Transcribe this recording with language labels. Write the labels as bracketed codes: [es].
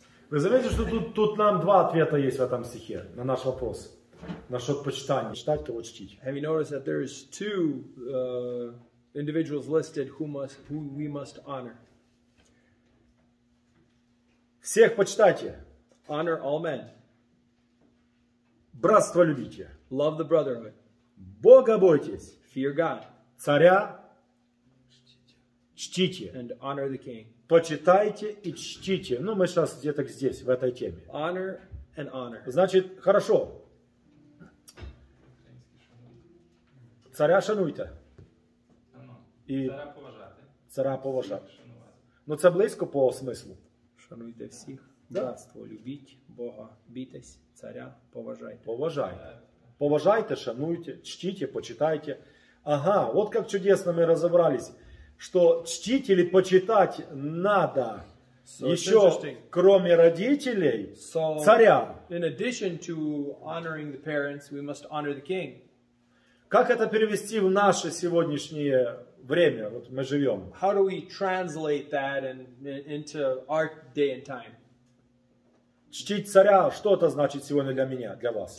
[ru] Вы заметите, что тут нам два ответа есть в этом стихе на наш вопрос. Насчет почитания. Читать, кого чтить. [en] Have you noticed that there is two individuals listed who we must honor? [ru] Всех почитайте. [en] Honor all men. [ru] Братство любите. [en] Love the brotherhood. [ru] Бога бойтесь. [en] Fear God. [ru] Царя чтите. [en] And honor the king. [ru] Почитайте и чтите. Ну, мы сейчас где-то здесь, в этой теме. [en] Honor and honor. [ru] Значит, хорошо. [uk] Царя шануйте. И царя поважати. Царя поважати. Ну, це близько по смислу. Шануйте всіх. Братство, любіть Бога, бійтесь царя, поважайте. Поважайте. Поважайте, шануйте, чтите, почитайте. Ага, от як чудесно ми розібрались. [ru] Что чтить или почитать надо еще, кроме родителей, царя. [en] In addition to honoring the parents, we must honor the king. [ru] Как это перевести в наше сегодняшнее время? Вот мы живем. [en] How do we translate that into our day and time? [ru] Чтить царя, что это значит сегодня для меня, для вас?